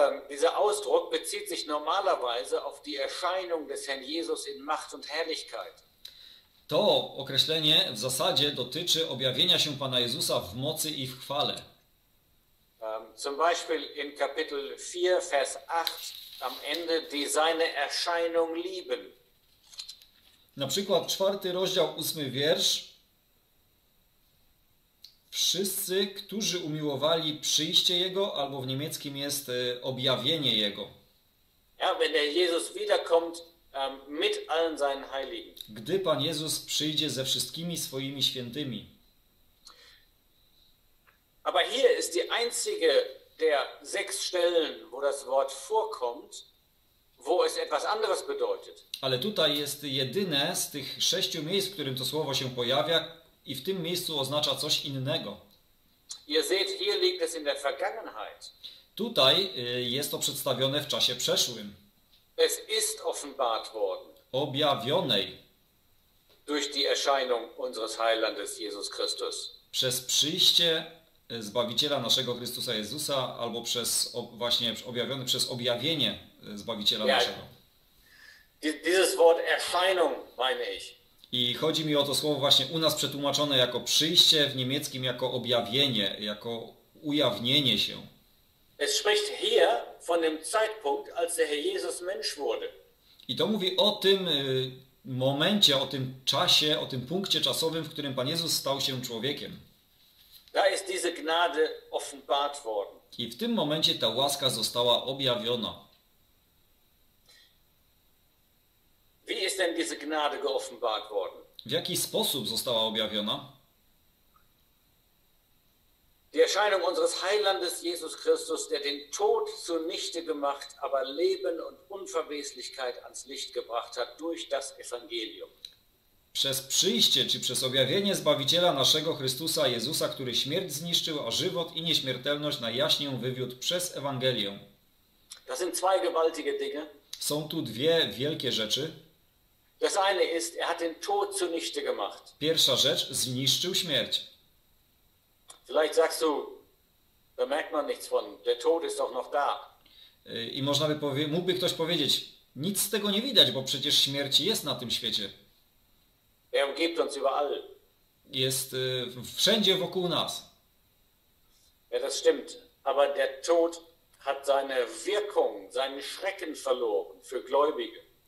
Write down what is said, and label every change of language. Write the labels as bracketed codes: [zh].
[de] Dieser Ausdruck bezieht sich normalerweise auf die Erscheinung des Herrn Jesus in Macht und Herrlichkeit. [pl] To określenie w zasadzie dotyczy objawienia się Pana Jezusa w mocy i w chwale. [de] Zum Beispiel in Kapitel 4, Vers 8 am Ende, die seine Erscheinung lieben. [pl] Na przykład 4 rozdział, 8 wiersz. Wszyscy, którzy umiłowali przyjście Jego, albo w niemieckim jest objawienie Jego. [de] Ja, wenn der Jesus wiederkommt, mit allen seinen Heiligen. [pl] Gdy Pan Jezus przyjdzie ze wszystkimi swoimi świętymi. [de] Aber hier ist die einzige der sechs Stellen, wo das Wort vorkommt, wo es etwas anderes bedeutet. [pl] Ale tutaj jest jedyne z tych sześciu miejsc, w którym to słowo się pojawia i w tym miejscu oznacza coś innego. [de] Ihr seht, hier liegt es in der Vergangenheit. [pl] Tutaj jest to przedstawione w czasie przeszłym. [de] Es ist offenbart worden. [pl] Objawionej. [de] Durch die Erscheinung unseres Heilandes Jesus Christus. [pl] Przez przyjście Zbawiciela naszego Chrystusa Jezusa albo przez właśnie objawione przez objawienie Zbawiciela naszego. [de] Dieses Wort Erscheinung meine ich. [pl] I chodzi mi o to słowo właśnie u nas przetłumaczone jako przyjście, w niemieckim jako objawienie, jako ujawnienie się. [de] Es spricht hier von dem Zeitpunkt, als der Herr Jesus Mensch wurde. [pl] I to mówi o tym momencie, o tym czasie, o tym punkcie czasowym, w którym Pan Jezus stał się człowiekiem. [de] Da ist diese Gnade offenbart worden. [pl] I w tym momencie ta łaska została objawiona. [de] Wie ist denn diese Gnade geoffenbart worden? [pl] W jaki sposób została objawiona? [de] Die Erscheinung unseres Heilandes Jesus Christus, der den Tod zunichte gemacht, aber Leben und Unverweslichkeit ans Licht gebracht hat durch das Evangelium. [pl] Przez przyjście, czy przez objawienie Zbawiciela naszego Chrystusa Jezusa, który śmierć zniszczył, a żywot i nieśmiertelność na jaśnię wywiódł przez Ewangelię. [de] Das sind zwei gewaltige Dinge. [pl] Są tu dwie wielkie rzeczy. [de] Das eine ist, er hat den Tod zunichte gemacht. [pl] Pierwsza rzecz, zniszczył śmierć. [de] Vielleicht sagst du, da merkt man nichts von, der Tod ist doch noch da. [pl] I można by mógłby ktoś powiedzieć, nic z tego nie widać, bo przecież śmierć jest na tym świecie. [de] Er umgibt uns überall. [pl] Jest wszędzie wokół nas. [de] Ja, das stimmt. Aber der Tod hat seine Wirkung, seinen Schrecken verloren für Gläubige.